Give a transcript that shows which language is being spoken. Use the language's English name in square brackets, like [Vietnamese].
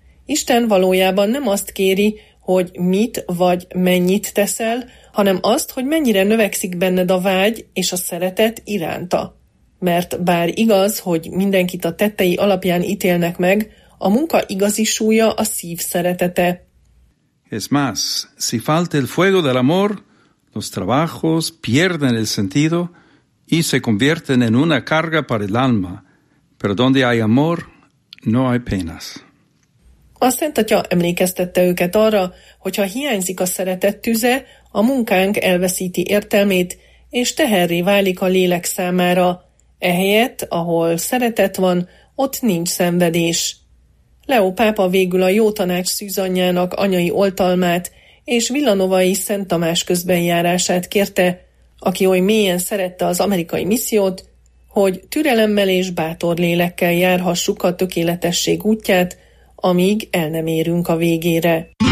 [Hungarian] Isten valójában nem azt kéri, hogy mit vagy mennyit teszel, hanem azt, hogy mennyire növekszik benned a vágy és a szeretet iránta. Mert bár igaz, hogy mindenkit a tettei alapján ítélnek meg, a munka igazi súlya a szív szeretete. [Spanish] Es más, si falta el fuego del amor, los trabajos pierden el sentido y se convierten en una carga para el alma. Pero donde hay amor, no hay penas. [Hungarian] A Szent Atya emlékeztette őket arra, hogy ha hiányzik a szeretet tüze, a munkánk elveszíti értelmét, és teherré válik a lélek számára. Ehelyett, ahol szeretet van, ott nincs szenvedés. Leó pápa végül a jó tanács szűzanyjának anyai oltalmát és villanovai Szent Tamás közbenjárását kérte, aki oly mélyen szerette az amerikai missziót, hogy türelemmel és bátor lélekkel járhassuk a tökéletesség útját, amíg el nem érünk a végére.